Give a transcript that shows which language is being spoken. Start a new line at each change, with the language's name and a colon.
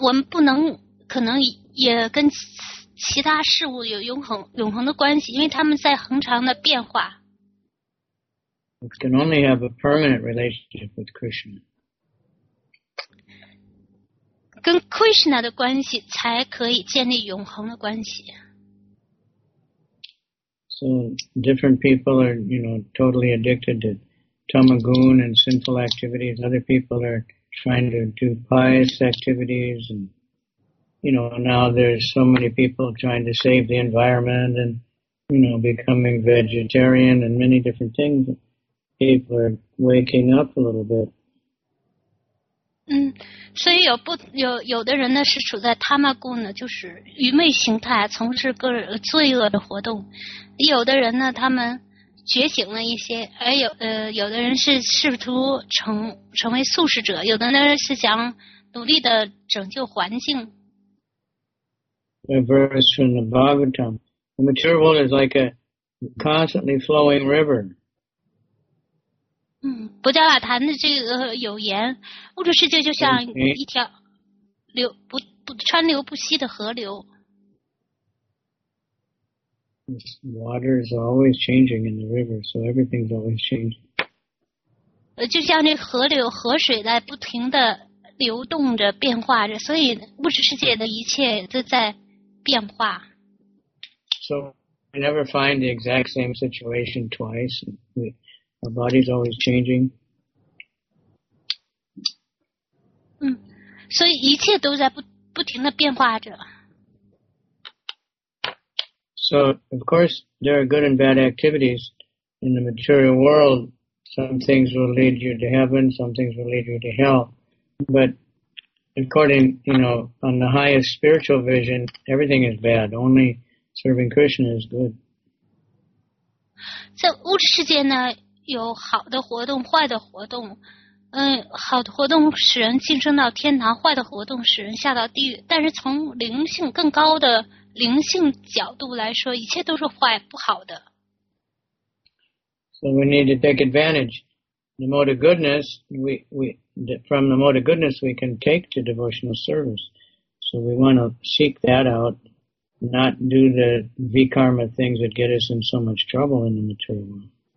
Chinese: 我们不可能也跟其他事物有永恒的关系，因为他们在恒常的变化。
English: We can only have a permanent relationship with Krishna.
Chinese: 跟 Krishna 的关系才可以建立永恒的关系。
English: So different people are, you know, totally addicted to tamagun and sinful activities. Other people are. Trying to do pious activities, and you know, now there's so many people trying to save the environment and you know, becoming vegetarian and many different things. People are waking up a little bit.
Chinese: 所以有不有有的人呢是处在他妈故呢，就是愚昧形态，从事个人罪恶的活动；有的人呢，他们觉醒了一些，而有的人是试图成为素食者，有的人是想努力的拯救环境。
English: A verse from the Bhagavatam: The material world is like a constantly flowing river.
Chinese: 不加瓦坛的这个有言，物质世界就像一条流不川流不息的河流。
English: This water is always changing in the river, so everything's always changing.
Chinese: 就像这河流河水在不停的流动着变化着，所以物质世界的一切都在变化。
English: So we never find the exact same situation twice. Our body's always changing.
Chinese: 所以一切都在不停的变化着。
English: So, of course, there are good and bad activities in the material world. Some things will lead you to heaven, some things will lead you to hell. But according, you know, on the highest spiritual vision, everything is bad. Only serving Krishna is good.
Chinese: 在物质世界呢，有好的活动，坏的活动。好的活动使人晋升到天堂，坏的活动使人下到地狱。但是从灵性更高的灵性角度来说，一切都是坏不好的。
English: So we need to take advantage. The mode of goodness, from the mode of goodness, we can take to devotional service. So we want to seek that out, not do the vikarma things that get us in so much trouble in the material world.